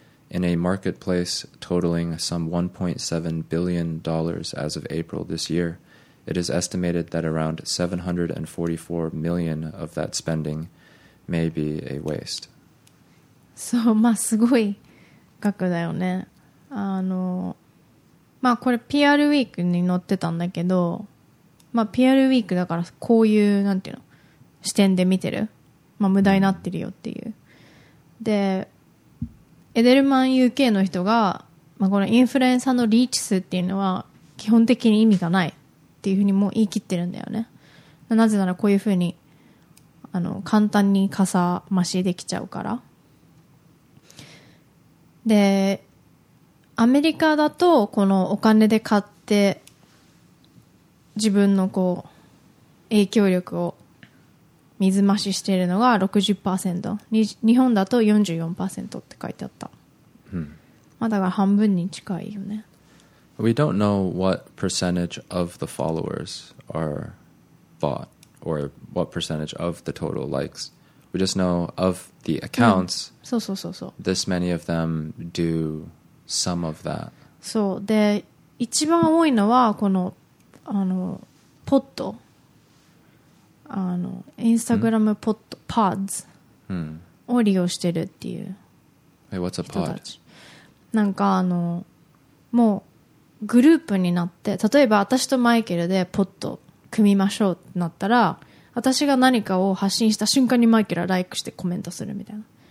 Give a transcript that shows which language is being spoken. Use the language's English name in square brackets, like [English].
[English] In a marketplace totaling some $1.7 billion as of April this year, it is estimated that around 744 million of that spending may be a waste. [Japanese] そう、まあすごい額だよね。あの、まあこれ PR ウィークに載ってたんだけど、まあ PR ウィークだからこういうなんていうの視点で見てる、まあ無駄になってるよっていう。で、エデルマン UK の人が、まあこのインフルエンサーのリーチ数っていうのは基本的に意味がないっていうふうにもう言い切ってるんだよね。なぜならこういうふうにあの簡単にかさ増しできちゃうから。でアメリカだとこのお金で買って自分のこう影響力を水増ししているのが 60%、 日本だと 44% って書いてあった、まあ、だから半分に近いよね。 [English] We don't know what percentage of the followers are bought or what percentage of the total likes. We just know of the accounts、 [Japanese] うん、そうそうそうそう、 [English] this many of them do some of that. [Japanese] そうで一番多いのはこのあのポッド、あのインスタグラムポッド、パッズを利用してるっていう人たち。 [English] Hey, what's a pod? [Japanese] なんかあのもうグループになって、例えば私とマイケルでポッド組みましょうってなったら、私が何かを発信した瞬間にマイケルはライクしてコメントするみたいな。